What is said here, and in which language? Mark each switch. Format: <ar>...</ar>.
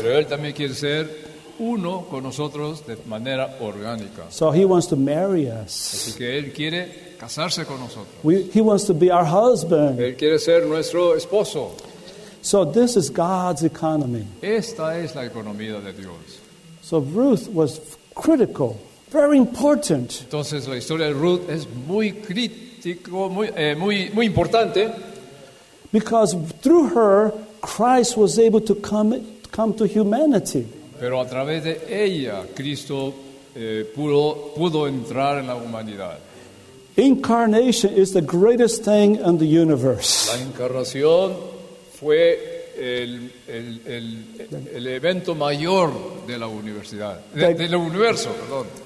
<es>Pero él también quiere ser uno con nosotros de manera orgánica.</es> <en>So he wants to marry us.</en> <es>Así que él quiere casarse con nosotros.</es> <en>He wants to be our husband.</en> <es>Él quiere ser nuestro esposo.</es> <en>So this is God's economy.</en> <es>Esta es la economía de Dios.</es> <en>So Ruth was critical, very important.</en> <es>Entonces la historia de Ruth es muy crítico, muy importante.</es> <en>Because through her, Christ was able to come to humanity.</en> <es>Pero a través de ella, Cristo pudo entrar en la humanidad.</es> <en>Incarnation is the greatest thing in the universe.</en> <es>La encarnación fue el evento mayor de la universidad, del universo, perdón.</es>